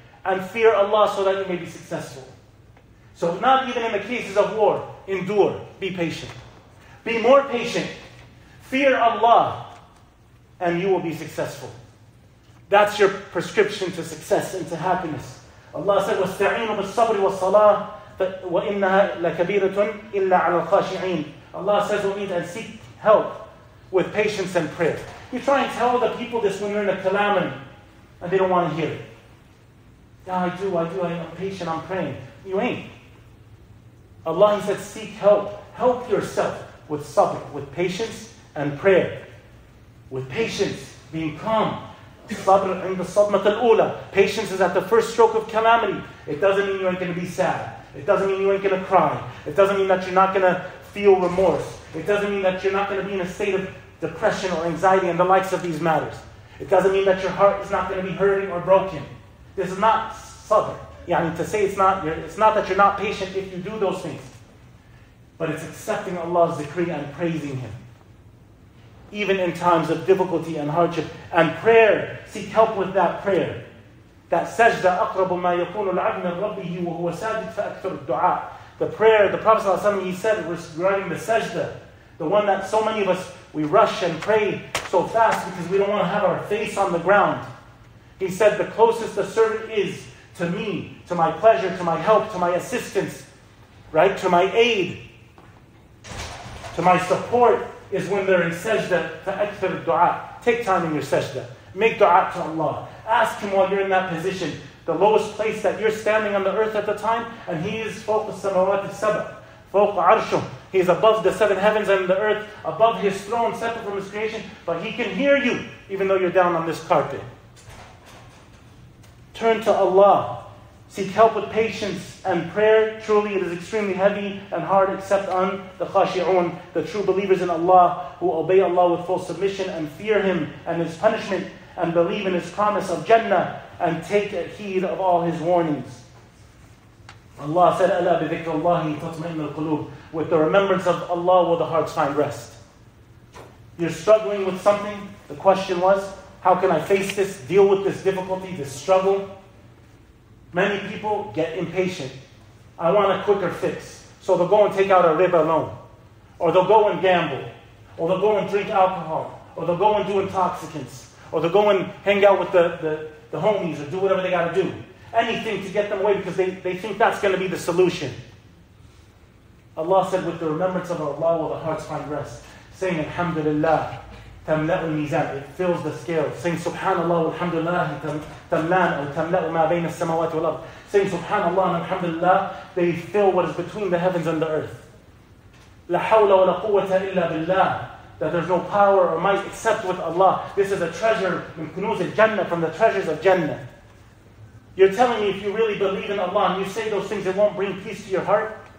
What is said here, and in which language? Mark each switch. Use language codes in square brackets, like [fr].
[en] And fear Allah so that you may be successful. So not even in the cases of war. Endure. Be patient. Be more patient. Fear Allah. And you will be successful. That's your prescription to success and to happiness. Allah said, [ar] وَاسْتَعِينُوا بِالصَّبْرِ وَالصَّلَاةِ وَإِنَّهَا لَكَبِيرَةٌ إِلَّا عَلَى الْخَاشِعِينَ. [en] Allah says, we need to seek help with patience and prayer. You try and tell the people this when you're in a calamity, and they don't want to hear it. Yeah, I do, I'm patient, I'm praying. You ain't. Allah, He said, seek help. Help yourself with sabr, with patience and prayer. With patience, being calm. Sabr in the sabmat al-ula. Patience is at the first stroke of calamity. It doesn't mean you ain't going to be sad. It doesn't mean you ain't going to cry. It doesn't mean that you're not going to feel remorse. It doesn't mean that you're not going to be in a state of depression or anxiety and the likes of these matters. It doesn't mean that your heart is not going to be hurting or broken. This is not sabr. Yeah, I mean, to say it's not that you're not patient if you do those things. But it's accepting Allah's decree and praising Him. Even in times of difficulty and hardship. And prayer, seek help with that prayer. That sajda [ar] أقرب ما يكون العبد من ربه وهو ساجد فأكثر الدعاء. [en] The prayer, the Prophet ﷺ, he said regarding the sajda, the one that so many of us, we rush and pray so fast because we don't want to have our face on the ground. He said, the closest the servant is to me, to my pleasure, to my help, to my assistance, right, to my aid, to my support, is when they're in sajda, [ar] فأكثر الدعاء. [en] Take time in your sajda. Make dua to Allah. Ask Him while you're in that position, the lowest place that you're standing on the earth at the time, and He is [ar] فوق السماوات السبع, فوق عرشه. [en] He is above the seven heavens and the earth, above His throne, separate from His creation, but He can hear you, even though you're down on this carpet. Turn to Allah. Seek help with patience and prayer. Truly, it is extremely heavy and hard, except on the khashi'un, the true believers in Allah, who obey Allah with full submission and fear Him and His punishment and believe in His promise of Jannah and take heed of all His warnings. Allah said, [ar] أَلَا بِذِكْرَ اللَّهِ تَطْمَئِنُ الْقُلُوبِ. [en] With the remembrance of Allah will the hearts find rest. You're struggling with something. The question was, how can I face this, deal with this difficulty, this struggle? Many people get impatient. I want a quicker fix. So they'll go and take out a riba loan. Or they'll go and gamble. Or they'll go and drink alcohol. Or they'll go and do intoxicants. Or they'll go and hang out with the homies or do whatever they got to do. Anything to get them away because they think that's going to be the solution. Allah said, with the remembrance of Allah will the hearts find rest. Saying, Alhamdulillah. [ar] تَمْلَأُ الْمِيزَانِ. [en] It fills the scale. Saying, [ar] Subhanallah, Alhamdulillah, تَمْلَأُ أَوْ تَمْلَأُ مَا بَيْنَ السَّمَوَاتِ وَالْأَرْضِ. [en] Saying, Subhanallah, Alhamdulillah, they fill what is between the heavens and the earth. [ar] لَا حَوْلَ وَلَا قُوَّةَ إِلَّا بِاللَّهِ. [en] That there's no power or might except with Allah. This is a treasure, [ar] مِنْ كُنُوزِ الْجَنَّةِ, [en] from the treasures of Jannah. You're telling me if you really believe in Allah and you say those things, it won't bring peace to your heart?